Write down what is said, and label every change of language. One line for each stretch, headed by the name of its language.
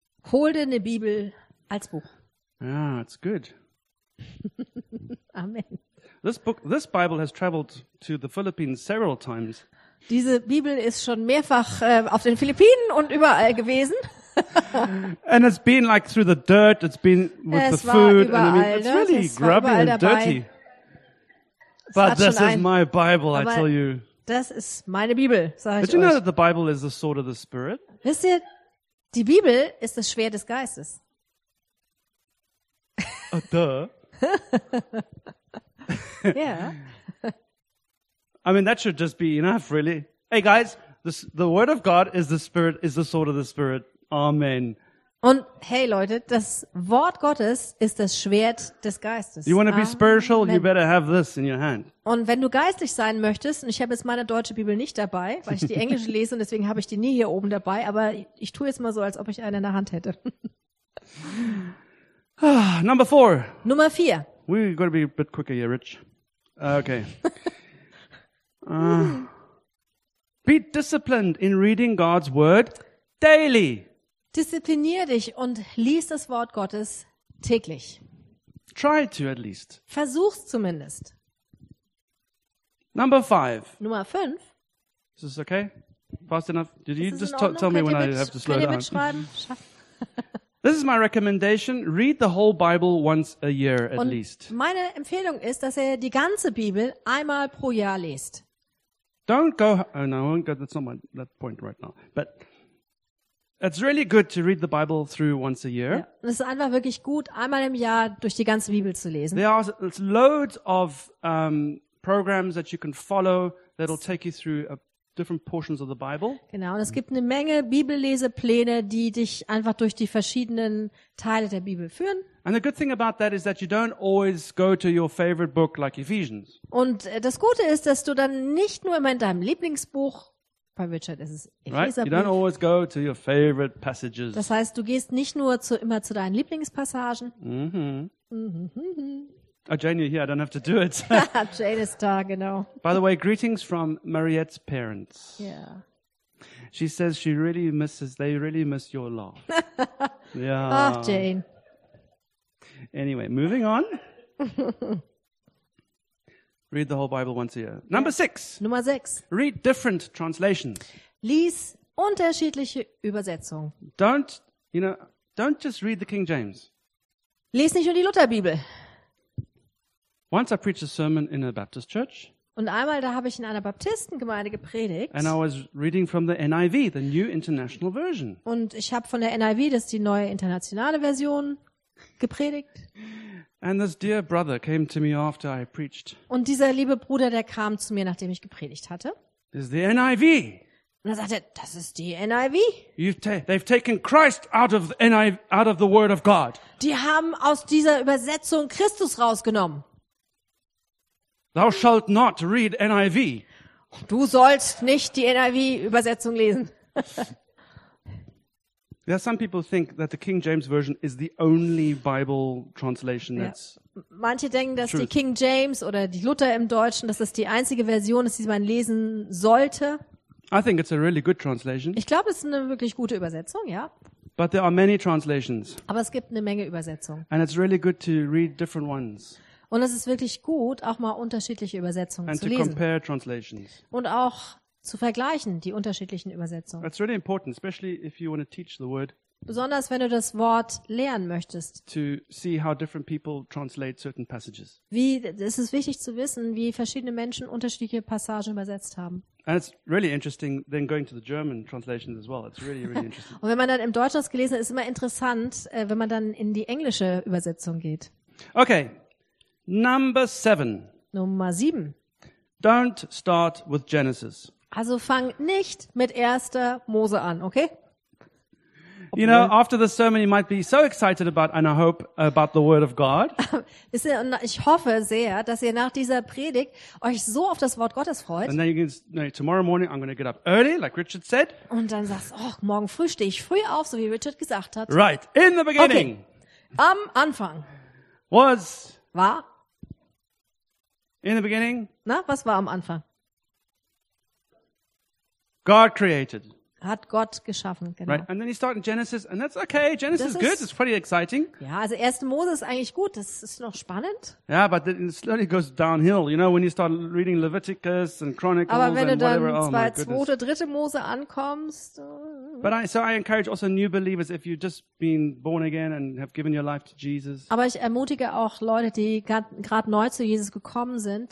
German: Hol dir eine Bibel als Buch.
English: Yeah, it's good. Amen. This Bible has traveled to the Philippines several times.
German: Diese Bibel ist schon mehrfach auf den Philippinen und überall gewesen.
English: And it's been like through the dirt, it's been with
German: es
English: the food
German: überall,
English: and I mean, it's
German: ne?
English: really
German: es
English: grubby and
German: dabei.
English: Dirty. But this is my Bible,
German: aber
English: I tell you.
German: Das ist meine Bibel, sage ich euch.
English: Did you know that the Bible is the sword of the Spirit?
German: Wisst ihr, die Bibel ist das Schwert des Geistes.
English: Oh, duh. Yeah. I mean, that should just be enough, really. Hey, guys, the word of God is the Spirit, is the sword of the Spirit. Amen.
German: Und hey, Leute, das Wort Gottes ist das Schwert des Geistes.
English: You want to be spiritual, you better have this in your hand.
German: Und wenn du geistlich sein möchtest, und ich habe jetzt meine deutsche Bibel nicht dabei, weil ich die englische lese und deswegen habe ich die nie hier oben dabei, aber ich tue jetzt mal so, als ob ich eine in der Hand hätte.
English: Number four.
German: Nummer vier.
English: We've got to be a bit quicker here, Rich. Okay. Be disciplined in reading God's word daily.
German: Disziplinier dich und lies das Wort Gottes täglich.
English: Try to at least.
German: Versuch's zumindest.
English: Number five.
German: Nummer 5.
English: Is this okay? Fast enough? Did you just tell me when I have to slow down? This is my recommendation. Read the whole Bible once a year at
German: und
English: least.
German: Meine Empfehlung ist, dass er die ganze Bibel einmal pro Jahr liest.
English: Don't go. Oh no, I won't go. That's not my that point right now. But it's really good to read the Bible through once a year.
German: Ja, es ist einfach wirklich gut, einmal im Jahr durch die ganze Bibel zu lesen.
English: There are loads of programs that you can follow that'll take you through different portions of the Bible.
German: Genau, und es gibt eine Menge Bibellesepläne, die dich einfach durch die verschiedenen Teile der Bibel führen.
English: And the good thing about that is that you don't always go to your favorite book like Ephesians.
German: Und das Gute ist, dass du dann nicht nur immer in deinem Lieblingsbuch bei Richard ist es
English: right? You don't always go to your favorite passages.
German: Das heißt, du gehst nicht nur zu immer zu deinen Lieblingspassagen.
English: Oh, Jane, you're here. I don't have to do it.
German: Jane is da, genau.
English: By the way, greetings from Mariette's parents. Yeah. She says she really misses. They really miss your laugh. Yeah.
German: Ach, Jane.
English: Anyway, moving on. Read the whole Bible once a year. Number six.
German: Nummer 6.
English: Read different translations.
German: Lies unterschiedliche Übersetzungen.
English: Don't just read the King James.
German: Lies nicht nur die Lutherbibel.
English: Once I preached a sermon in a Baptist church.
German: Und einmal da habe ich in einer Baptistengemeinde gepredigt.
English: And I was reading from the NIV, the New International Version.
German: Und ich habe von der NIV, das ist die neue internationale Version, gepredigt.
English: And this dear brother came to me after I preached.
German: Und dieser liebe Bruder, der kam zu mir, nachdem ich gepredigt hatte.
English: This is the NIV.
German: Und er sagte, das ist die NIV.
English: They've taken Christ out of the NIV, out of the Word of God.
German: Die haben aus dieser Übersetzung Christus rausgenommen.
English: Thou shalt not read NIV.
German: Du sollst nicht die NIV-Übersetzung lesen.
English: There are some people think that the King James Version is the only Bible translation that's
German: Manche denken, dass die King James oder die Luther im Deutschen, dass das die einzige Version ist, die man lesen sollte.
English: I think it's a really good translation.
German: Ich glaube, es ist eine wirklich gute Übersetzung, ja.
English: But there are many translations.
German: Aber es gibt eine Menge Übersetzungen.
English: And it's really good to read different ones.
German: Und es ist wirklich gut, auch mal unterschiedliche Übersetzungen
English: and
German: zu lesen.
English: And to compare translations.
German: Und auch zu vergleichen, die unterschiedlichen Übersetzungen.
English: That's really important, especially if you want to teach the word.
German: Besonders wenn du das Wort lernen möchtest.
English: To see how different people translate certain passages.
German: Wie es ist wichtig zu wissen, wie verschiedene Menschen unterschiedliche Passagen übersetzt haben.
English: And it's really interesting then going to the German translations as well. It's really really interesting.
German: Und wenn man dann im Deutsch das gelesen hat, ist immer interessant, wenn man dann in die englische Übersetzung geht.
English: Okay. Number 7.
German: Nummer 7.
English: Don't start with Genesis.
German: Also fang nicht mit 1. Mose an, okay?
English: You know, after the sermon, you might be so excited about, and I hope, about the Word of God.
German: Ich hoffe sehr, dass ihr nach dieser Predigt euch so auf das Wort Gottes freut.
English: And then you can say, tomorrow morning, I'm going to get up early, like Richard said.
German: Und dann sagst du, oh, morgen früh stehe ich früh auf, so wie Richard gesagt hat.
English: Right, in the beginning.
German: Okay. Am Anfang. Was? War?
English: In the beginning.
German: Na, was war am Anfang?
English: God created.
German: Hat Gott geschaffen, genau.
English: Right. And then you start in Genesis, and that's okay. Genesis is good. It's pretty exciting.
German: Ja, also 1. Mose ist eigentlich gut. Das ist noch spannend.
English: Yeah, but then it slowly goes downhill. You know, when you start reading Leviticus and Chronicles
German: Aber wenn du
English: and
German: dann
English: whatever,
German: 2., 3. Mose ankommst.
English: But I encourage also new believers, if you've just been born again and have given your life to Jesus.
German: Aber ich ermutige auch Leute, die gerade neu zu Jesus gekommen sind.